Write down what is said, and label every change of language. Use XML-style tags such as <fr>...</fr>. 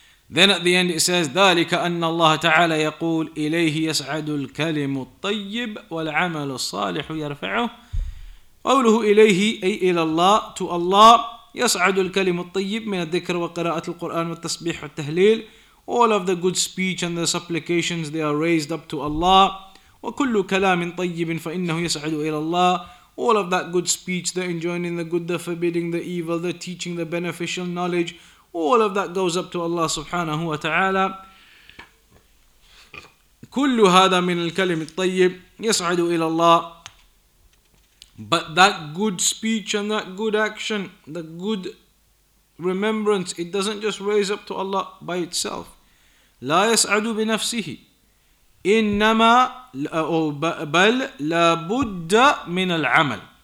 <en>Then at the end it says,</en> <ar>ذلك أن الله تعالى يقول إليه يسعد الكلم الطيب والعمل الصالح يرفعه. قوله إليه أي إلى الله,</ar> <en>to Allah,</en> <ar>يسعد الكلم الطيب من الذكر وقراءة القرآن والتسبيح والتهليل.</ar> <en>All of the good speech and the supplications, they are raised up to Allah.</en> <ar>وكل كلام طيب فإنه يسعد إلى الله.</ar> <en>All of that good speech, the enjoining the good, the forbidding the evil, the teaching the beneficial knowledge, all of that goes up to Allah subhanahu wa ta'ala.</en> <ar>كل هذا من الكلم الطيب يسعد إلى الله.</ar> <en>But that good speech and that good action, the good remembrance, it doesn't just raise up to Allah by itself.</en> <ar>لا يسعد بنفسه. إنما بل لابد من العمل.</ar>